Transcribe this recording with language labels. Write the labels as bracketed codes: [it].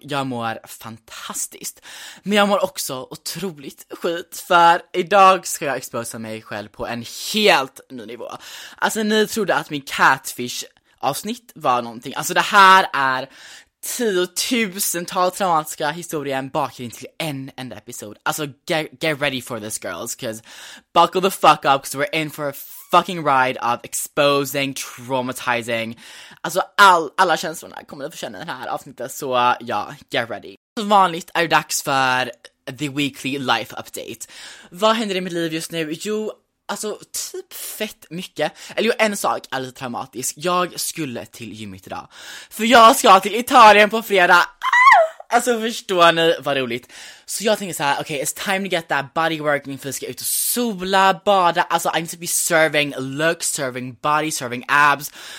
[sv] Jag mår fantastiskt. Men jag mår också otroligt skit, för idag ska jag exposa mig själv på en helt ny nivå. Alltså ni trodde att min catfish avsnitt var någonting. Alltså det här är tiotusentals traumatiska historier bakgrund till en enda episod. [en] Alltså get ready for this girls, 'cause buckle the fuck up, 'cause we're in for a fucking ride of exposing, traumatizing. [sv] Alltså alla känslorna kommer att få känna den här avsnittet. Så ja, [en] get ready. [sv] Som vanligt är det dags för [en] the weekly life update. [sv] Vad händer i mitt liv just nu? Jo, alltså typ fett mycket. Eller jo, en sak är lite traumatisk. Jag skulle till gymmet idag, för jag ska till Italien på fredag. Alltså förstår ni vad roligt. Så jag tänker så här: [en] okay, it's time to get that body working. [sv] För jag ska ut och sola, bada. [en] Alltså I need to be serving, look serving, body serving, abs.